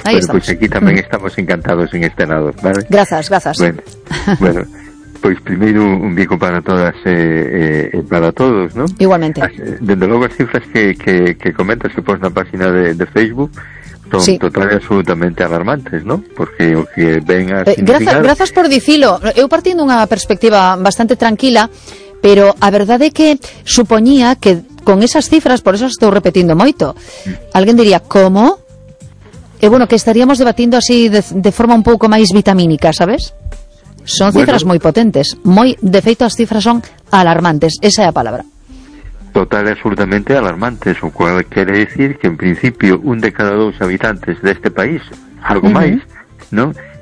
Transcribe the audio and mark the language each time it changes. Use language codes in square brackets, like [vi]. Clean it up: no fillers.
[es] Pues aquí también estamos encantados en este lado, ¿vale? Gracias, gracias. Bueno, pues primero un bico para todas, para todos, ¿no? Igualmente. Desde luego las cifras que comentas, que pones en la página de Facebook, son sí. Total y absolutamente alarmantes, ¿no? Porque aunque vengas... [gl] Gracias por dicilo. Eu partindo unha perspectiva bastante tranquila, pero a verdade é que supoñía que con esas cifras, por eso estou repetindo moito, alguén diría, ¿cómo? [es] Bueno, que estaríamos debatiendo así de forma un poco más vitamínica, ¿sabes? Son cifras muy potentes. [gl] De feito, [es] las cifras son alarmantes. Esa es la palabra. Total y absolutamente alarmantes. O cual quiere decir que, en principio, un de cada dos habitantes de este país, algo más, ¿no?